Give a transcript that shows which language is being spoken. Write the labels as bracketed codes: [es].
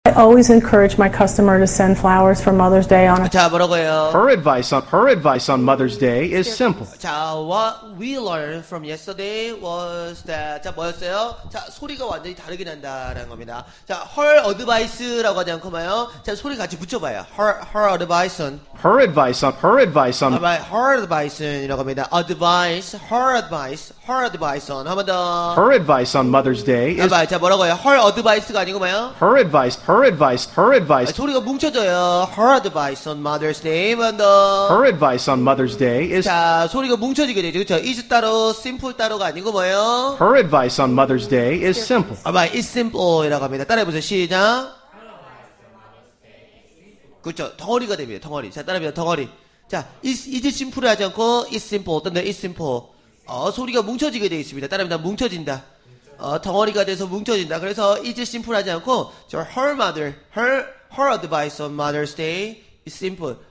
[en] I always encourage my customer to send flowers for Mother's Day on. [ko] 자, 뭐라고요? [en] Her advice on Mother's Day is simple. [ko] 자, [en] what we learned from yesterday was that. [ko] 자, 뭐였어요? 자, 소리가 완전히 다르게 난다라는 겁니다. 자, [en] her advice [ko] 라고 하지 않고 봐요. 자, 소리 같이 붙여봐요. [en] Her advice on. Her advice on. Her advice on [ko] 이라고 합니다. [en] Advice. Her advice on. [ko] 한번 더. [en] Her advice on Mother's Day is. [ko] 봐요. 자, 뭐라고요? [en] Her advice [ko] 가 아니고 뭐요? [en] Her advice. [ko] 아, 소리가 뭉쳐져요. [en] Her advice on Mother's Day. [ko] 한번 더. [en] Her advice on Mother's Day is. [ko] 자, 소리가 뭉쳐지게 되죠. 그렇죠? Is 따로, [en] simple [ko] 따로가 아니고 뭐요? [en] Her advice on Mother's Day is simple. [ko] 아, 봐요. [en] It's simple [ko] 이라고 합니다. 따라해보세요. 시작. 그렇죠. 덩어리가 됩니다. 덩어리. 자, 따라합니다. 덩어리. [en] 자, is simple [ko] 하지 않고 [en] is simple. [ko] 어떤데? [en] Is simple. [ko] 소리가 뭉쳐지게 되어 있습니다. 따라합니다. 뭉쳐진다. 덩어리가 돼서 뭉쳐진다. 그래서 [en] is simple [ko] 하지 않고 저 [en] her advice on Mother's Day is simple.